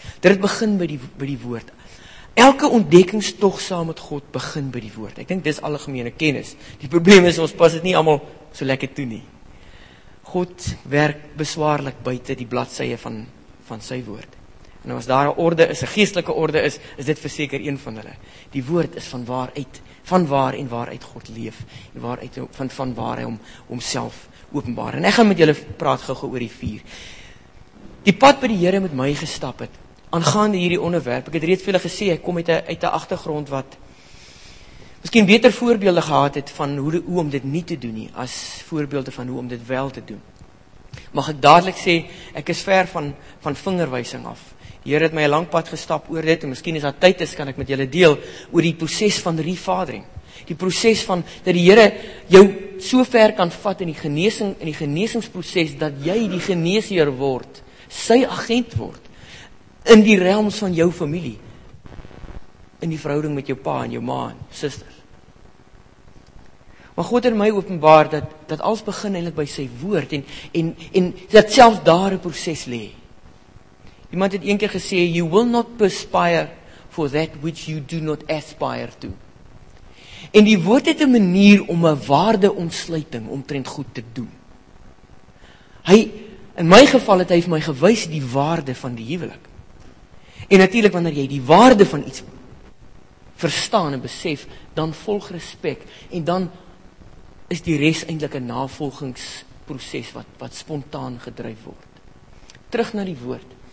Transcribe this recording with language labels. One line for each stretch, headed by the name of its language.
Afrikaans: Dit begin by die woord. Elke ontdekkingstog saam met God begin by die woord. Ek dink dis algemene kennis. Die probleem is ons pas dit nie almal so lekker toe nie. God werk beswaarlik buite die bladsye van sy woord. En as daar 'n orde is, 'n geestelike orde is, is dit verseker een van hulle. Die woord is van waar en waaruit God leef en waaruit van waar hy homself openbaar. En ek gaan met julle praat gou-gou oor die vuur. Die pad by die Here met my gestap het aangaande hierdie onderwerp. Ek het reeds vir julle gesê ek kom uit 'n agtergrond wat miskien beter voorbeelde gehad het van hoe om dit nie te doen nie as voorbeelde van hoe om dit wel te doen. Mag ek dadelik sê ek is ver van vingerwysing af. Heer het my 'n lang pad gestap oor dit, en miskien as daar tyd is, kan ek met julle deel oor die proses van refathering. Die proses van, dat die Here jou so ver kan vat in die genesingsproses, dat jy die geneesheer word, sy agent word, in die realms van jou familie, in die verhouding met jou pa en jou ma en susters. Maar God het my openbaar dat alles begin eintlik by sy woord en dat selfs daar 'n proses lê. Iemand het een keer gesê,
English: you will not perspire for that which you do not aspire to.
Afrikaans: En die woord het 'n manier om 'n waarde ontsluiting omtrent goed te doen. Hy, in my geval het hy vir my gewys die waarde van die huwelik. En natuurlik wanneer jy die waarde van iets verstaan en besef, dan volg respek en dan is die res eintlik 'n navolgingsproses wat spontaan gedryf word. Terug na die woord.